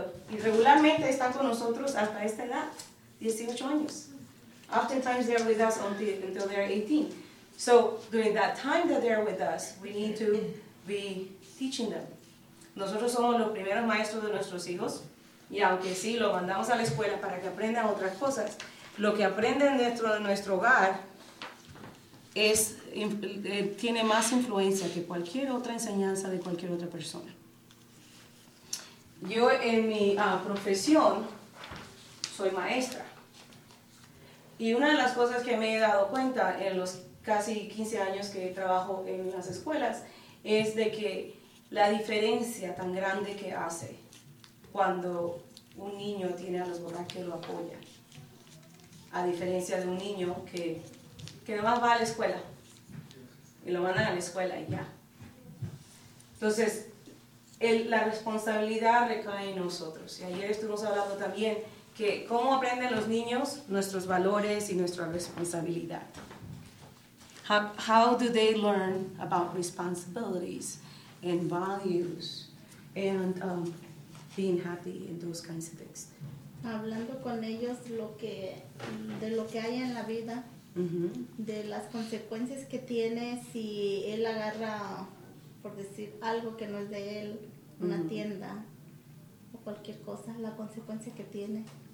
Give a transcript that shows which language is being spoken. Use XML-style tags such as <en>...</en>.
<es>Y regularmente están con nosotros hasta esta edad, 18 años.</es> <en>Oftentimes they're with us until they're 18. So during that time that they're with us, we need to be teaching them.</en> <es>Nosotros somos los primeros maestros de nuestros hijos, y aunque sí lo mandamos a la escuela para que aprendan otras cosas, lo que aprenden dentro de nuestro hogar es, tiene más influencia que cualquier otra enseñanza de cualquier otra persona. Yo en mi profesión soy maestra, y una de las cosas que me he dado cuenta en los casi 15 años que trabajo en las escuelas, es de que la diferencia tan grande que hace cuando un niño tiene a los papás que lo apoyan, a diferencia de un niño que nomás va a la escuela, y lo mandan a la escuela y ya. Entonces, la responsabilidad recae en nosotros. Y ayer estuvimos hablando también que cómo aprenden los niños nuestros valores y nuestra responsabilidad.</es> <en>How do they learn about responsibilities and values and being happy and those kinds of things?</en> <es>Hablando con ellos de lo que hay en la vida, mm-hmm. de las consecuencias que tiene si él agarra, por decir algo que no es de él, una mm-hmm. tienda o cualquier cosa, la consecuencia que tiene.</es>